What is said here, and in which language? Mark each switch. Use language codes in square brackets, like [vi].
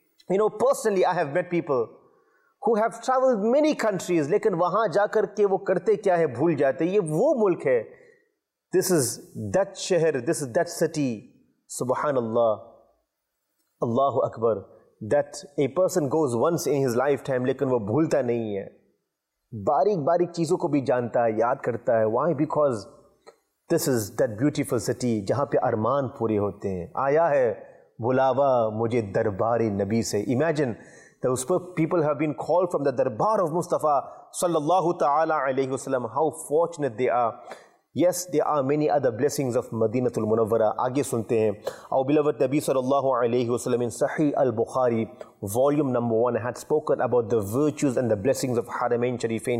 [en] You know, personally, I have met people who have traveled many countries, [ur] لیکن وہاں جا کر کے وہ کرتے کیا ہے، بھول جاتے. یہ وہ ملک ہے. [en] This is that شہر, this is that city. [ar] سبحان اللہ, اللہ اکبر. [en] That a person goes once in his lifetime, [ur] لیکن وہ بھولتا نہیں ہے. باریک باریک چیزوں کو بھی جانتا ہے, یاد کرتا ہے. [en] Why? Because this is that beautiful city [ur] جہاں پہ ارمان پورے ہوتے ہیں. آیا ہے بلاوا مجھے دربار نبی سے. [en] Imagine, those people have been called from the darbar of Mustafa sallallahu ta'ala alayhi wasallam. How fortunate they are. Yes, there are many other blessings of Madinatul Munawwara. [ur] Aage sunte hain. [en] Our beloved Nabi sallallahu alayhi wasallam in Sahih al-Bukhari, volume number 1, had spoken about the virtues and the blessings of Haramain Sharifain.